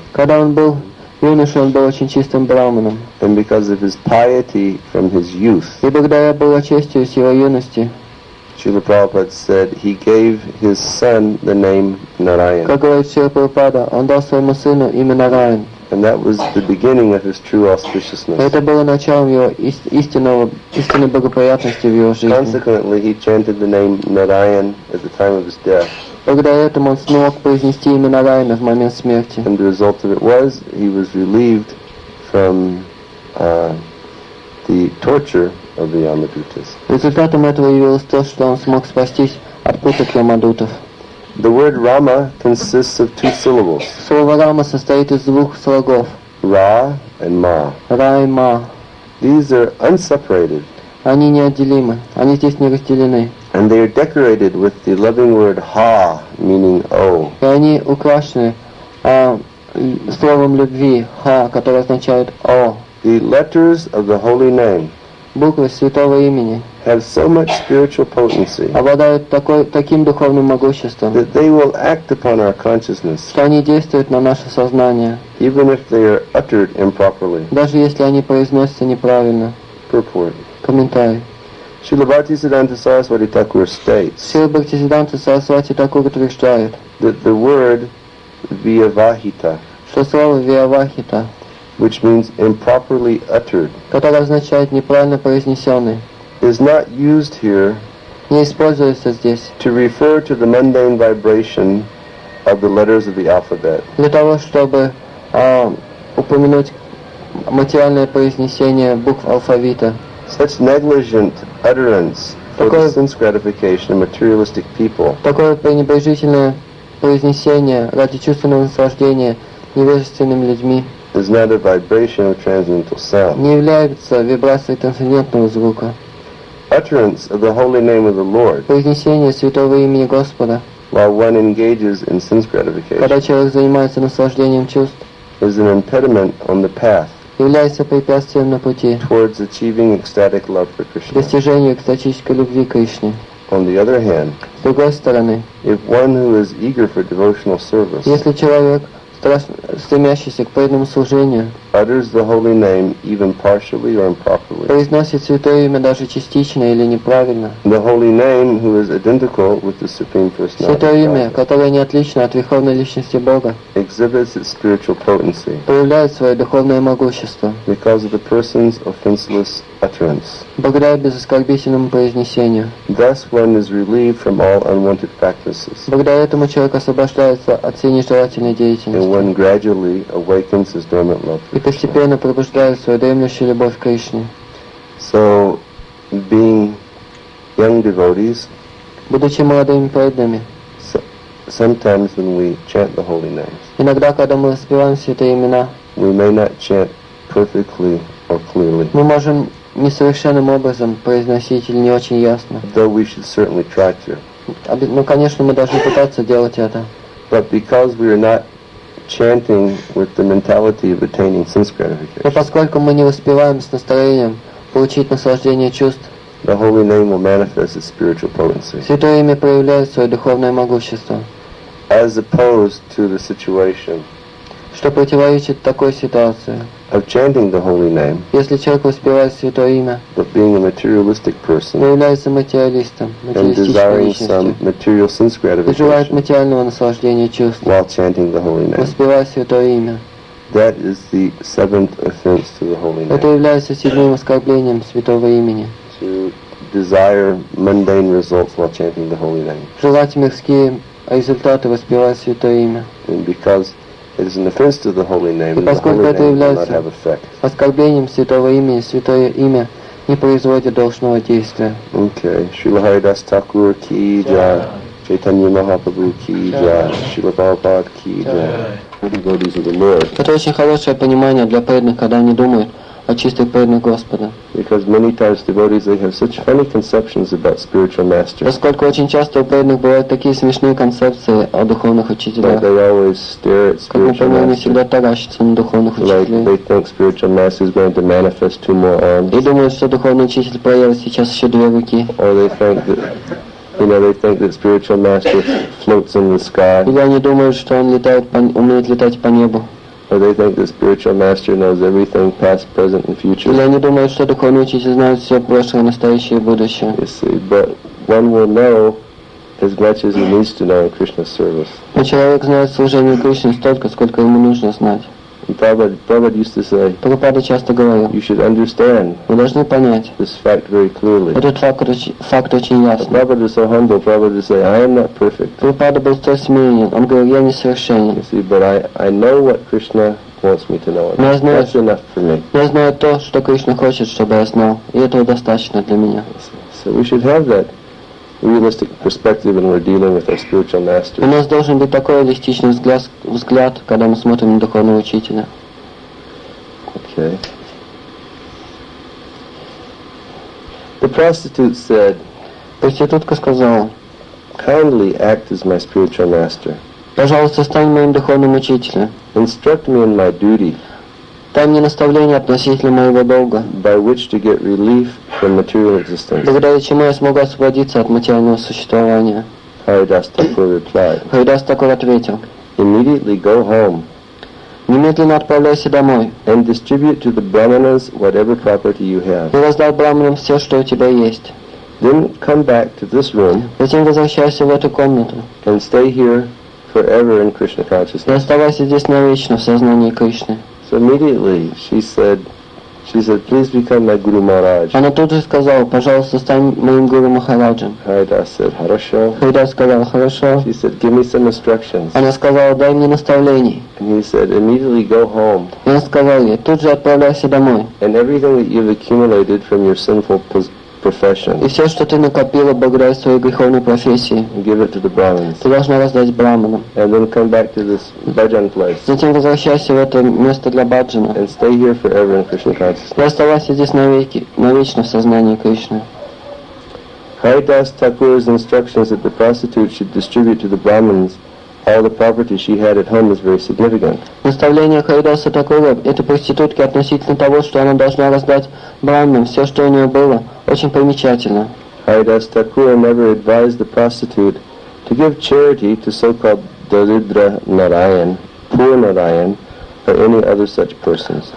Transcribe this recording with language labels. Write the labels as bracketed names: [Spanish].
[Russian] Когда он был юношей, он был очень чистым брахманом. [English] And because of his piety from his youth. [Russian] И благодаря благочестию с его юности. [English] Srila Prabhupada said he gave his son the name Narayan. [Russian] Как говорит Srila Prabhupada, он дал своему сыну имя Нараян. [English] And that was the beginning of his true auspiciousness. [Russian] Это было началом его истинной благоприятности в его жизни. [English] Consequently, he chanted the name Narayan at the time of his death. [Russian] Благодаря этому он смог произнести имя Нараяна в момент смерти. [English] And the result of it was he was relieved from the torture of the Yamadutas. [Russian] Результатом этого явилось то, что он смог спастись от пыток Ямадутов. [English] The word Rama consists of two syllables. [Russian] Слово Рама состоит из двух слогов. [English] Ra and Ma. [Russian] Ra и Ma. [English] These are unseparated. [Russian] Они неотделимы. Они здесь не разделены. [English] And they are decorated with the loving word Ha, meaning O. [Russian] И они украшены словом любви Ha, которое означает O. [English] The letters of the holy name. [Russian] Буквы святого имени. [English] Have so much spiritual potency. [Russian] Обладают таким духовным могуществом. [English] That they will act upon our consciousness. [Russian] Что они действуют на наше сознание. [English] Even if they are uttered improperly. [Russian] Даже если они произносятся неправильно. [English] Purport. [Russian] Комментарий. [English] Srila Bhaktisiddhanta Saraswati Thakur states. [Russian] Srila Bhaktisiddhanta Saraswati Thakur утверждает. [English] That the word Vyavahita. [Russian] Что слово Vyavahita. [English] Which means improperly uttered. [Russian] Которое означает неправильно произнесенный. [English] Is not used here [Russian] не используется здесь [English] to refer to the mundane vibration of the letters of the alphabet. [Russian] Для того, чтобы упомянуть материальное произнесение букв алфавита. [English] Such negligent utterance for the sense gratification of materialistic people. [Russian] Такое пренебрежительное произнесение ради чувственного наслаждения невежественными людьми. [English] Is not a vibration of transcendental sound. [Russian] Не является вибрацией трансцендентного звука. [English] Utterance of the holy name of the Lord. [Russian] Произнесение святого имени Господа. [English] While one engages in sense gratification. [Russian] Когда человек занимается наслаждением чувств. [English] Is an impediment on the path. [Russian] Является препятствием на пути. [English] Towards achieving ecstatic love for Krishna. [Russian] Достижению экстатической любви к Кришне. [English] On the other hand. [Russian] С другой стороны. [English] If one who is eager for devotional service. [Russian] Если человек стремящийся к преданному служению [English] utters the holy name even partially or improperly. [Russian] Произносит святое имя даже частично или неправильно. [English] The holy name who is identical with the Supreme Personality. [Russian] Святое имя, которое не отлично от Верховной Личности Бога. [English] Exhibits its spiritual potency. [Russian] Проявляет свое духовное могущество. [English] Because of the person's offenseless utterance. [Russian] Благодаря безоскорбительному произнесению. [English] Thus one is relieved from all unwanted practices. [Russian] Благодаря этому человек освобождается от всей нежелательной деятельности. [English] And one gradually awakens his dormant love. [Russian] И постепенно пробуждает свою дремлющую любовь к Кришне. [English] So, being young devotees, [Russian] будучи молодыми преданными, [English] sometimes when we chant the holy names, [Russian] иногда когда мы воспеваем святые имена, [English] we may not chant perfectly or clearly. [Russian] Мы можем несовершенным образом произносить или не очень ясно. [English] Though we should certainly try to. [Russian] Но, конечно, мы должны пытаться делать это. [English] But because we are not chanting with the mentality of attaining sense gratification. [Russian] Но поскольку мы не воспеваем с настроением получить наслаждение чувств, [English] the holy name will manifest its spiritual potency. [Russian] Святое имя проявляет свое духовное могущество. [English] As opposed to the situation. [Russian] Что противоречит такой ситуации. [English] Of chanting the holy name. [Russian] Если человек воспевает святое имя, [English] but being a materialistic person. [Russian] Является материалистом, материалистической личностью. И желает материального наслаждения чувств. [English] While chanting the holy name. [Russian] Воспевая святое имя. [English] That is the seventh offense to the holy name. [Russian] Это является седьмым оскорблением святого имени. [English] To desire mundane results while chanting the holy name. [Russian] Желать мирские результаты воспевая святое имя. [English] And because it is an offense to the holy name, and the holy name will not have effect. [Russian] Оскорблением святого имени, святое имя не производит должного действия. [English] Okay. Srila Haridas Thakur ki jai. Chaitanya Mahaprabhu ki jai. Srila Prabhupada ki jai. Good devotees of the Lord. [Russian] Это очень хорошее понимание для преданных, когда они думают aceste perne, Gospode. [English] Because many times devotees, they have such funny conceptions about spiritual masters. [Russian] Поскольку очень часто у преданных бывают такие смешные концепции о духовных учителях. [English] But they always stare at spiritual masters. [Russian] Они всегда таращатся на духовных учителей. [English] Like they think spiritual master is going to manifest two more arms. [Russian] И думают, что духовный учитель появится сейчас еще две руки. [English] Or they think that, you know, they think that spiritual master floats in the sky. [Russian] Или они думают, что он летает, умеет летать по небу. [English] Or they think the spiritual master knows everything, past, present, and future. [Russian] Или они думают, что духовный учитель знает все прошлое, настоящее и будущее. [English] You see, but one will know as much as he needs to know in Krishna's service. [Russian] Но человек знает служение Кришне столько, сколько ему нужно знать. [English] Prabhupada used to say. [Russian] Прабхупада часто говорил. [English] You should understand. [Russian] Вы должны понять. [English] This fact very clearly. [Russian] Этот факт очень ясно. [English] Prabhupada was so humble. Prabhupada would say, I am not perfect. [Russian] Прабхупада был столь смиренен. Он говорил, я не совершенен. [English] You see, but I know what Krishna wants me to know. That's enough for me. [Russian] Я знаю то, что Кришна хочет, чтобы я знал, и этого достаточно для меня. [English] So we should have that realistic perspective when we're dealing with our spiritual master. [Russian] У нас должен быть такой реалистичный взгляд, когда мы смотрим на духовного учителя. [English] Okay. The prostitute said, [Russian] проститутка сказала, [English] kindly act as my spiritual master. [Russian] Пожалуйста, стань моим духовным учителем. [English] Instruct me in my duty. [Russian] Дай мне наставление относительно моего долга. [English] By which to get relief from material existence. [Russian] Благодаря чему я смогу освободиться от материального существования. [English] Харидас такой replied. [Russian] Харидас такой ответил. [English] Immediately go home. [Russian] Немедленно отправляйся домой. [English] And distribute to the brahmanas whatever property you have. [Russian] И раздай брахманам все, что у тебя есть. [English] Then come back to this room. [Russian] Затем возвращайся в эту комнату. [English] And stay here forever in Krishna consciousness. [Russian] И оставайся здесь навечно в сознании Кришны. [English] So immediately she said, please become my Guru Maharaj. [Russian] Она тут же сказала, пожалуйста, стань моим Гуру Махараджем. [English] Харидас said, [Russian] хорошо. Харидас сказал, хорошо. [English] She said, give me some instructions. [Russian] Она сказала, дай мне наставление. [English] And he said, immediately go home. [Russian] И он сказал ей, тут же отправляйся домой. [English] And everything that you've accumulated from your sinful profession. [Russian] И все, что ты накопила благодаря своей греховной профессии. [English] Give it to the Brahmins. [Russian] Ты должна раздать брахманам. [English] And then come back to this bhajan place. [Russian] Затем возвращайся в это место для баджана. [English] And stay here forever in Krishna consciousness. [Russian] И оставайся здесь навеки, навечно в сознании Кришны. [English] Haridas Thakur's instructions that the prostitute should distribute to the Brahmins all the property she had at home is very significant. [Russian] Наставление Харидаса Такура этой проститутки относительно того, что она должна раздать брахманам все, что у нее было, очень примечательно. [English] Харидас Такура never advised the prostitute to give charity to so-called Daridra Narayan, poor Narayan, or any other such persons.